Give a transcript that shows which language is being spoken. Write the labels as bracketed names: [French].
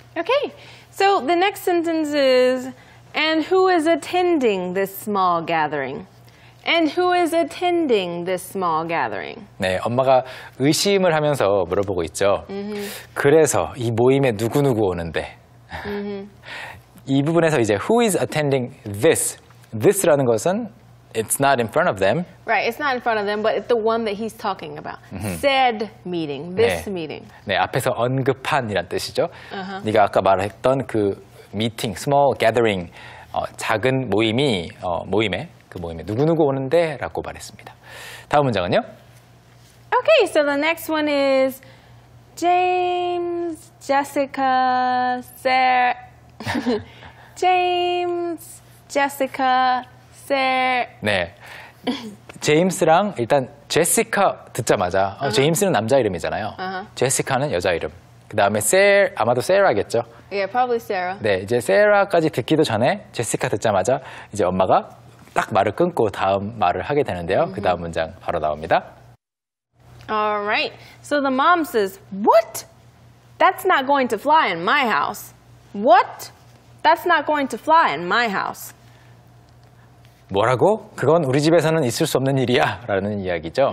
[English] Okay, so the next sentence is, and who is attending this small gathering? And who is attending this small gathering? [Korean] 네, 엄마가 의심을 하면서 물어보고 있죠. Mm-hmm. 그래서 이 모임에 누구누구 오는데? Mm-hmm. 이 부분에서 이제 [English] who is attending this? [Korean] This라는 것은 [English] it's not in front of them. Right, it's not in front of them, but it's the one that he's talking about. Mm-hmm. Said meeting, this [Korean] 네. [English] meeting. [Korean] 네, 앞에서 언급한이란 뜻이죠. Uh-huh. 네가 아까 말했던 그 meeting, [English] small gathering, [Korean] 작은 모임이 모임에 그 모임에 누구누구 오는데? 라고 말했습니다. 다음 문장은요? [English] Okay, so the next one is James, Jessica, Sarah. James, Jessica, Sarah. [Korean] 네, 제임스랑 일단 제시카 듣자마자 uh-huh. 제임스는 남자 이름이잖아요. Uh-huh. 제시카는 여자 이름. 그 다음에 아마도 세라겠죠? [English] Yeah, probably Sarah. [Korean] 네, 이제 세라까지 듣기도 전에 제시카 듣자마자 이제 엄마가 딱 말을 끊고 다음 말을 하게 되는데요. Mm-hmm. 그 다음 문장 바로 나옵니다. [English] Alright, so the mom says, What? That's not going to fly in my house. What? That's not going to fly in my house. [Korean] 뭐라고? 그건 우리 집에서는 있을 수 없는 일이야 라는 이야기죠.